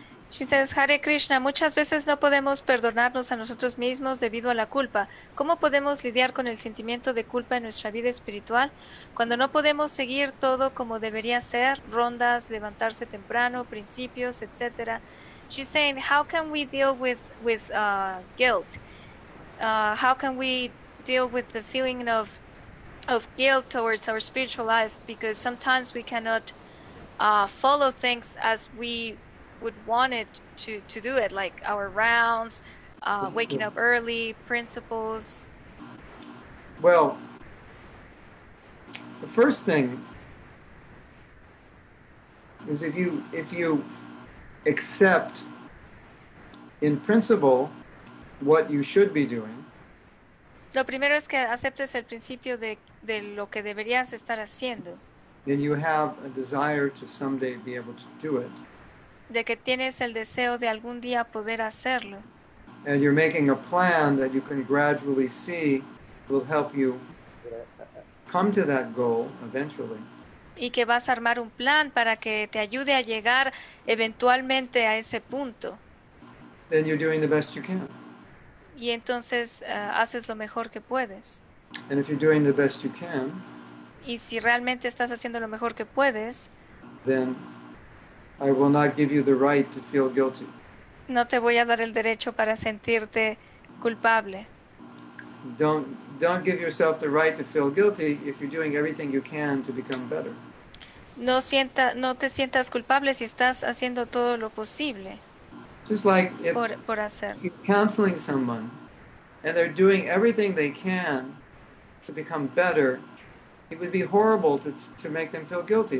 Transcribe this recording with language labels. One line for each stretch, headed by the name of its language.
English: She says,
Spanish: Hare Krishna, muchas veces no podemos perdonarnos a nosotros mismos debido a la culpa. ¿Cómo podemos lidiar con el sentimiento de culpa en nuestra vida espiritual? Cuando no podemos seguir todo como debería ser, rondas, levantarse temprano, principios, etc.
English: She's saying, how can we deal with guilt? How can we deal with the feeling of guilt towards our spiritual life? Because sometimes we cannot follow things as we would want it to do it, like our rounds, waking up early, principles. Well, the first thing is if you accept in principle what you should be doing.
Spanish: Lo primero es que aceptes el principio de lo que deberías estar haciendo.
English: Then you have a desire to someday be able to do it.
Spanish: De que tienes el deseo de algún día poder hacerlo.
English: And you're making a plan that you can gradually see will help you come to that goal eventually.
Spanish: Y que vas a armar un plan para que te ayude a llegar eventualmente a ese punto.
English: Then you're doing the best you can.
Spanish: Y entonces haces lo mejor que puedes.
English: And if you're doing the best you can,
Spanish: y si realmente estás haciendo lo mejor que puedes,
English: then I will not give you the right to feel guilty.
Spanish: No te voy a dar el derecho para sentirte culpable.
English: Don't give yourself the right to feel guilty if you're doing everything you can to become better.
Spanish: No te sientas culpable si estás haciendo todo lo posible.
English: Just like if you're counseling someone and they're doing everything they can to become better, it would be horrible to make them feel guilty.